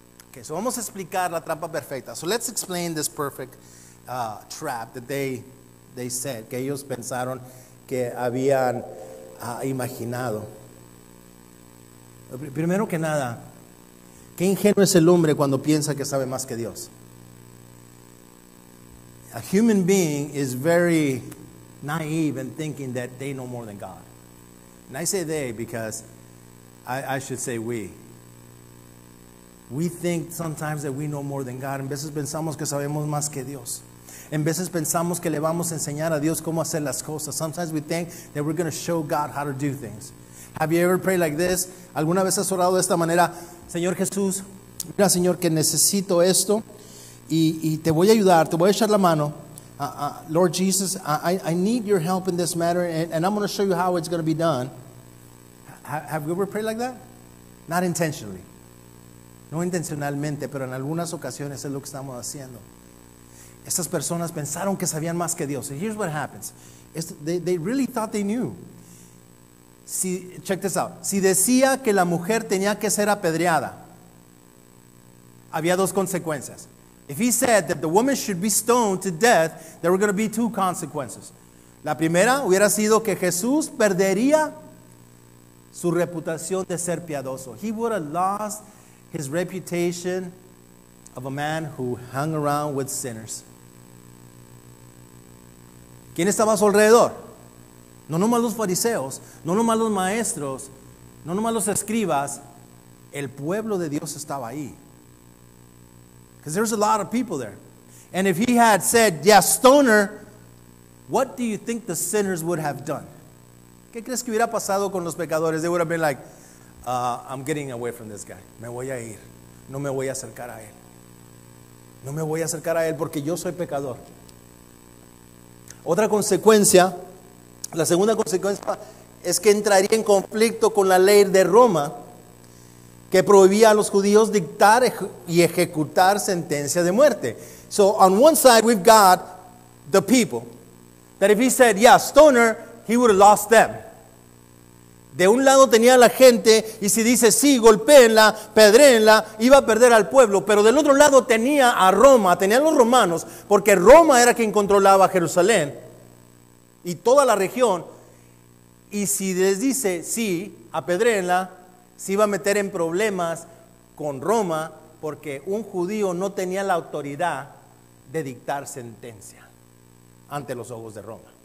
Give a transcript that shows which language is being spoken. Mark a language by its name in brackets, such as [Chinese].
[English] Okay, so [Spanish] vamos a explicar la trampa perfecta. [English] So let's explain this perfect trap that they said, [Spanish] que ellos pensaron que habían imaginado. Primero que nada, qué ingenuo es el hombre cuando piensa que sabe más que Dios. [English] A human being is very naive in thinking that they know more than God. And I say they because I should say we. We think sometimes that we know more than God. [Spanish] En veces pensamos que sabemos más que Dios. En veces pensamos que le vamos a enseñar a Dios cómo hacer las cosas. [English] Sometimes we think that we're going to show God how to do things. Have you ever prayed like this? [Spanish] ¿Alguna vez has orado de esta manera? Señor Jesús, mira, Señor, que necesito esto. Y te voy a ayudar, te voy a echar la mano. [English] Lord Jesus, I need your help in this matter, and I'm going to show you how it's going to be done. Have you ever prayed like that? Not intentionally. [Spanish] No intencionalmente, pero en algunas ocasiones es lo que estamos haciendo. Estas personas pensaron que sabían más que Dios. [English] And here's what happens. They really thought they knew. [Spanish] Si, [English] check this out. [Spanish] Si decía que la mujer tenía que ser apedreada, había dos consecuencias. [English] If he said that the woman should be stoned to death, there were going to be two consequences. [Spanish] La primera hubiera sido que Jesús perdería su reputación de ser piadoso. [English] He would have lost his reputation of a man who hung around with sinners. [Spanish] ¿Quién estaba a su alrededor? No nomás los fariseos, no nomás los maestros, no nomás los escribas. El pueblo de Dios estaba ahí. [English] Because there's a lot of people there. And if he had said, yeah, stone her, what do you think the sinners would have done? [Spanish] ¿Qué crees que hubiera pasado con los pecadores? [English] They would have been like, I'm getting away from this guy. [Spanish] Me voy a ir. No me voy a acercar a él. No me voy a acercar a él porque yo soy pecador. Otra consecuencia, la segunda consecuencia es que entraría en conflicto con la ley de Roma, que prohibía a los judíos dictar y ejecutar sentencia de muerte. [English] So on one side we've got the people that if he said, yeah, stone her, he would have lost them. [Spanish] De un lado tenía la gente y si dice, sí, golpéenla, pedréenla, iba a perder al pueblo. Pero del otro lado tenía a Roma, tenía a los romanos, porque Roma era quien controlaba Jerusalén y toda la región. Y si les dice, sí, apedréenla, se iba a meter en problemas con Roma porque un judío no tenía la autoridad de dictar sentencia ante los ojos de Roma.